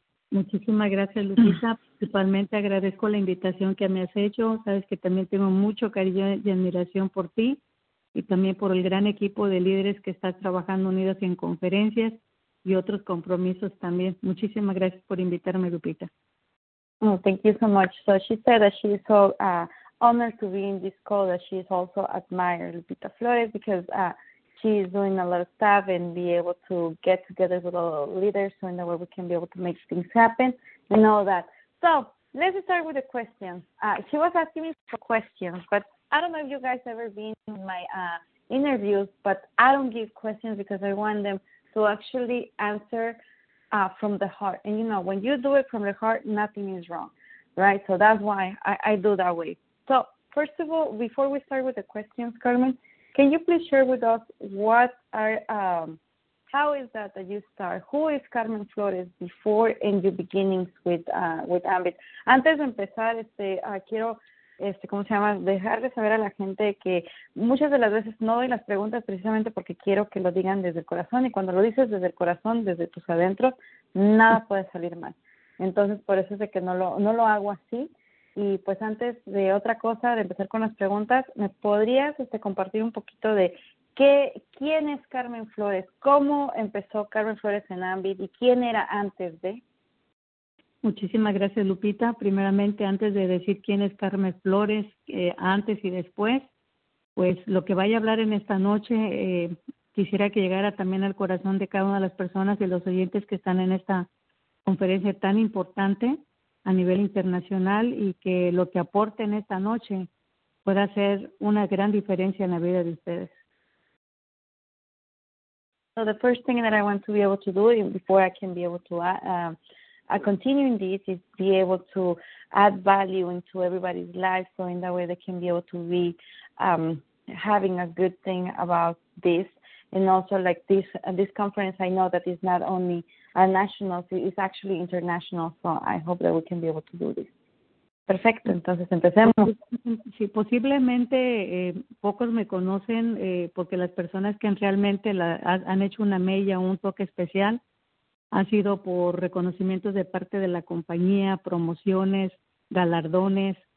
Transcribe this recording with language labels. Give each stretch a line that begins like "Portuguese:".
Spanish: Muchísimas gracias, Lupita. Principalmente agradezco la invitación que me has hecho. Sabes que también tengo mucho cariño y admiración por ti. Y también por el gran equipo de líderes que está trabajando unidos en conferencias y otros compromisos también. Muchísimas gracias por invitarme, Lupita.
English: Oh, thank you so much. So she said that she is so honored to be in this call, that she is also admire Lupita Flores because she is doing a lot of stuff and be able to get together with all the leaders so in that way we can be able to make things happen and all that. So let's start with a question. She was asking me for questions, but I don't know if you guys ever been in my interviews, but I don't give questions because I want them to actually answer from the heart. And you know, when you do it from the heart, nothing is wrong, right? So that's why I do that way. So first of all, before we start with the questions, Carmen, can you please share with us what are how is that you start? Who is Carmen Flores before in your beginnings with Ambit?
Spanish: Antes de empezar, quiero ¿cómo se llama? Dejar de saber a la gente que muchas de las veces no doy las preguntas precisamente porque quiero que lo digan desde el corazón y cuando lo dices desde el corazón, desde tus adentros, nada puede salir mal. Entonces, por eso es de que no lo hago así. Y pues antes de otra cosa, de empezar con las preguntas, ¿me podrías compartir un poquito de ¿Quién es Carmen Flores? ¿Cómo empezó Carmen Flores en Ambit y quién era antes de? Muchísimas gracias, Lupita. Primeramente, antes de decir quién es Carmen Flores, antes y después, pues lo que vaya a hablar en esta noche, quisiera que llegara también al corazón de cada una de las personas y los oyentes que están en esta conferencia tan importante a nivel internacional, y que lo que aporten esta noche pueda hacer una gran diferencia en la vida de ustedes.
English: So the first thing that I want to be able to do before I can be able to continue in this is be able to add value into everybody's life, so in that way they can be able to be having a good thing about this. And also, like this conference, I know that it's not only a national, it's actually international, so I hope that we can be able to do this.
Spanish: Perfecto, entonces empecemos. Sí, posiblemente pocos me conocen porque las personas que realmente han hecho una mella, un toque especial, han sido por reconocimientos de parte de la compañía, promociones, galardones.